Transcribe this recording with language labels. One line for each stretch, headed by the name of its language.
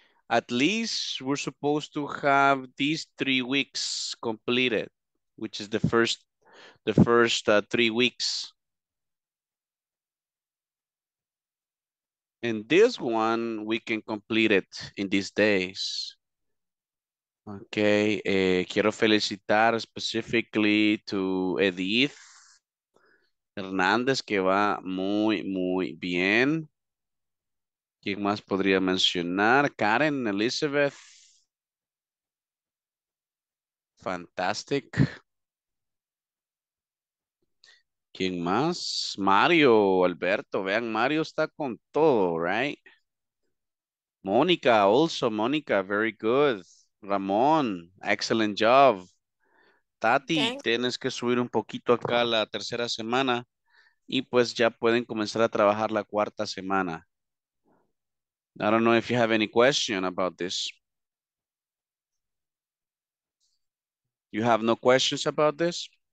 English: At least we're supposed to have these 3 weeks completed, which is the first 3 weeks. And this one, we can complete it in these days.
Spanish: Okay, quiero felicitar
English: specifically to
Spanish: Edith Hernández, que va muy, muy bien. ¿Quién más podría mencionar? Karen, Elizabeth.
English: Fantastic.
Spanish: ¿Quién más? Mario, Alberto. Vean, Mario está con todo, right?
English: Mónica, also Mónica, very good. Ramón, excellent job. Tati, okay.
Spanish: Tienes que subir un poquito acá la tercera semana y pues ya pueden comenzar a trabajar la cuarta semana.
English: I don't know if you have any question about this. You have no questions about this?